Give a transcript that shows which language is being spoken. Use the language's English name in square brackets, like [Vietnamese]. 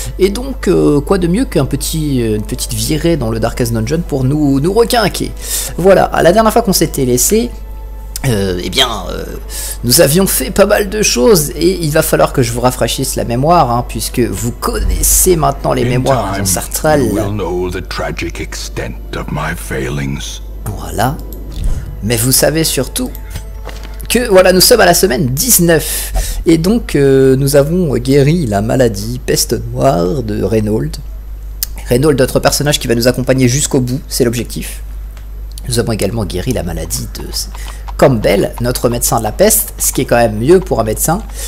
[French] Et donc, quoi de mieux qu'un une petite virée dans le Darkest Dungeon pour nous requinquer. Voilà, la dernière fois qu'on s'était laissé, nous avions fait pas mal de choses et il va falloir que je vous rafraîchisse la mémoire, hein, puisque vous connaissez maintenant les mémoires ancestrales. [English] You will know the tragic extent of my failings. [French] Voilà, mais vous savez surtout que voilà, nous sommes à la semaine 19 et donc nous avons guéri la maladie peste noire de Reynold. Reynold, notre personnage qui va nous accompagner jusqu'au bout, c'est l'objectif. Nous avons également guéri la maladie de Campbell, notre médecin de la peste, ce qui est quand même mieux pour un médecin.